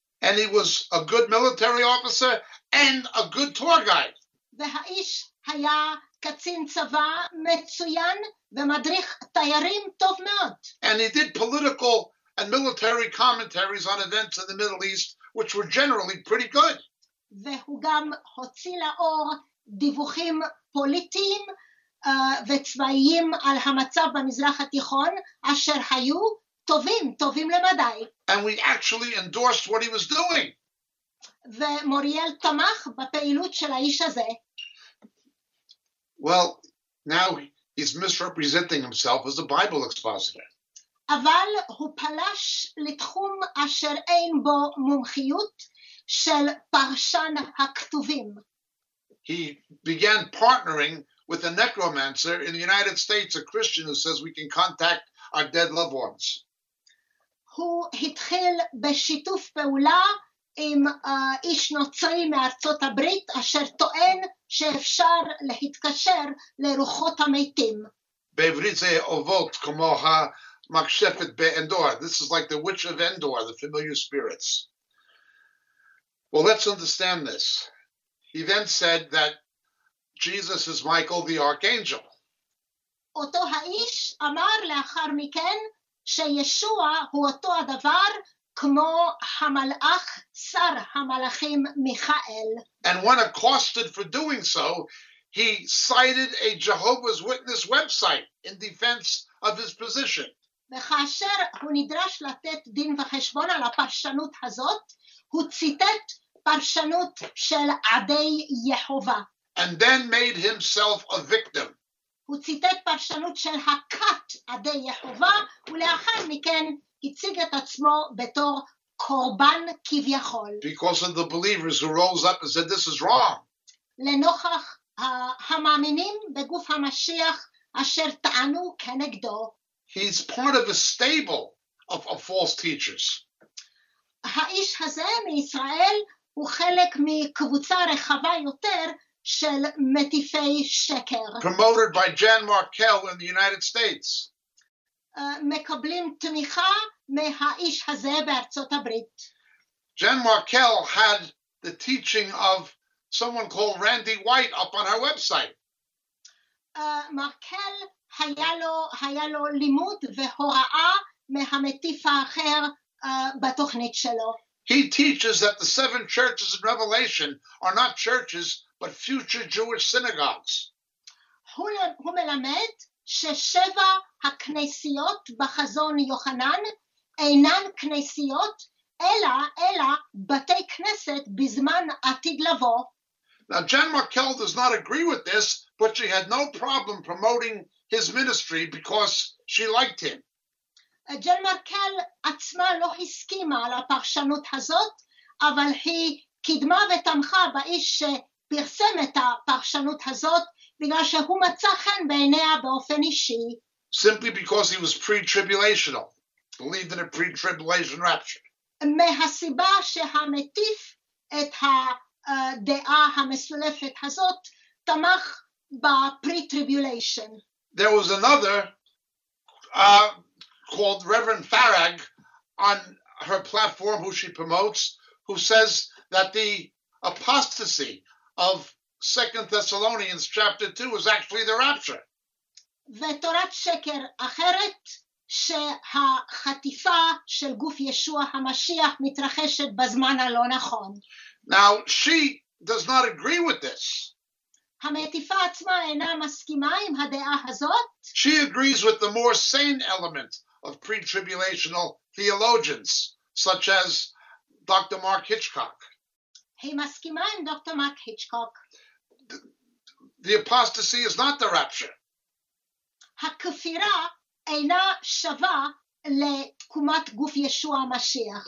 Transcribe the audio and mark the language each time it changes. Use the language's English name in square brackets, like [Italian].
[English] And he was a good military officer and a good tour guide. [Hebrew] והאיש היה קצין צבא מצוין ומדריך תיירים טוב מאוד. [English] And he did political and military commentaries on events in the Middle East, which were generally pretty good. [Hebrew] והוא גם הוציא לאור דיווחים פוליטיים וצבאיים על המצב במזרח התיכון, אשר היו טובים, טובים למדי. [English] And we actually endorsed what he was doing. [Hebrew] ומוריאל תמך בפעילות של האיש הזה. [English] Well, now he's misrepresenting himself as a Bible expositor. [Hebrew] אבל הוא פלש לתחום אשר אין בו מומחיות של פרשן הכתובים. [English] He began partnering with a necromancer in the United States, a Christian who says we can contact our dead loved ones. [Hebrew] הוא התחיל בשיתוף פעולה עם איש נוצרי מארצות הברית אשר טוען שאפשר להתקשר לרוחות המתים. בעברית זה אובות כמו המקשפת באנדור. [English] This is like the witch of Endor, the familiar spirits. Well, let's understand this. He then said that Jesus is Michael the Archangel. [Hebrew] אותו האיש אמר לאחר מכן שישוע הוא אותו הדבר כמו המלאך שר המלאכים מיכאל. [English] And when accosted for doing so, he cited a Jehovah's Witness website in defense of his position. [Hebrew] וכאשר הוא נדרש לתת דין וחשבון על הפרשנות הזאת, הוא ציטט פרשנות של עדי יהובה. [English] And then made himself a victim. [Hebrew] הוא ציטט פרשנות של הכת עדי יהובה, ולאחר מכן הציג את עצמו בתור קורבן כביכול. [English] Because of the believers who rose up and said, this is wrong. [Hebrew] לנוכח המאמינים בגוף המשיח אשר טענו כנגדו. [English] He's part of a stable of false teachers. [Hebrew] האיש הזה מישראל הוא חלק מקבוצה רחבה יותר של מטיפי שקר. [English] Promoted by Jan Markell in the United States. [Hebrew] מקבלים תמיכה מהאיש הזה בארצות הברית. [English] Jan Markell had the teaching of someone called Randy White up on her website. [Hebrew] Markell היה לו לימוד והוראה מהמטיף האחר בתוכנית שלו. [English] He teaches that the seven churches in Revelation are not churches, but future Jewish synagogues. [Hebrew] הוא מלמד ששבע הכנסיות בחזון יוחנן אינן כנסיות, אלא בתי כנסת בזמן עתיד לבוא. [English] Now, Jan Markell does not agree with this, but she had no problem promoting his ministry because she liked him. [Hebrew] Jan Markell עצמה לא הסכימה על הפרשנות הזאת, אבל היא קידמה ותמכה באיש שפרסם את הפרשנות הזאת, בגלל שהוא מצא חן בעיניה באופן אישי. [English] Simply because he was pre-tribulational, believed in a pre-tribulation rapture. [Hebrew] מהסיבה שהמטיף את ה... דעה המסולפת הזאת תמך בפרי-טריביוליישן. [English] There was another called Reverend Farag on her platform who she promotes who says that the apostasy of 2 Thessalonians chapter 2 was actually the rapture. [Hebrew] ותורת שקר אחרת שהחטיפה של גוף ישוע המשיח מתרחשת בזמן הלא נכון. [English] Now, she does not agree with this. [Hebrew] המטיפה עצמה אינה מסכימה עם הדעה הזאת. [English] She agrees with the more sane element of pre-tribulational theologians, such as Dr. Mark Hitchcock. [Hebrew] היא מסכימה עם דוקטור מרק היצ'קוק. [English] The apostasy is not the rapture. [Hebrew] הכפירה אינה שווה לתקומת גוף ישוע המשיח.